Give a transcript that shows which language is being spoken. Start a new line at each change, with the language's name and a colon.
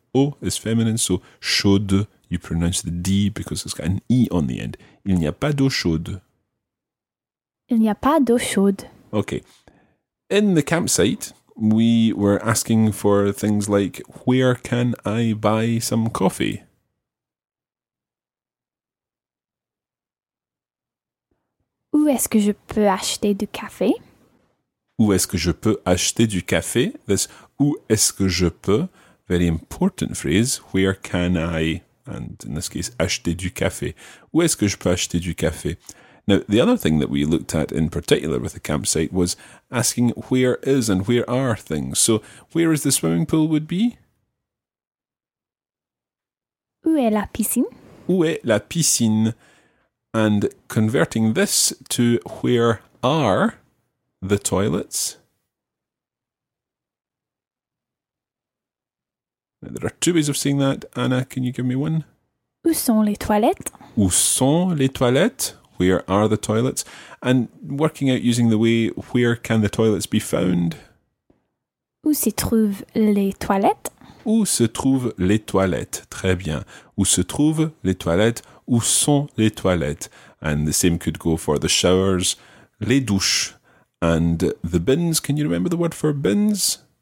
English: Eau is feminine, so chaude. You pronounce the D because it's got an E on the end.
French: Il n'y a pas d'eau chaude. Il n'y a pas d'eau chaude.
English: Okay. In the campsite, we were asking for things like, where can I buy some coffee?
French: Où est-ce que je peux acheter du café? Où est-ce que je peux acheter du café? This, où est-ce que je peux?
English: Very important phrase. Where can I? And in this case,
French: acheter du café. Où est-ce que je peux acheter du café?
English: Now, the other thing that we looked at in particular with the campsite was asking where is and where are things. So, where is the swimming pool would be?
French: Où est la piscine? Où est la piscine?
English: And converting this to where are the toilets? There are two ways of saying that. Anna, can you give me one?
French: Où sont les toilettes? Où sont les toilettes?
English: Where are the toilets? And working out using the way, where can the toilets be found?
French: Où se trouvent les toilettes? Où se trouvent les toilettes? Très bien. Où se trouvent les toilettes? Où sont les toilettes?
English: And the same could go for the showers, les douches, and the bins. Can you remember the word for bins?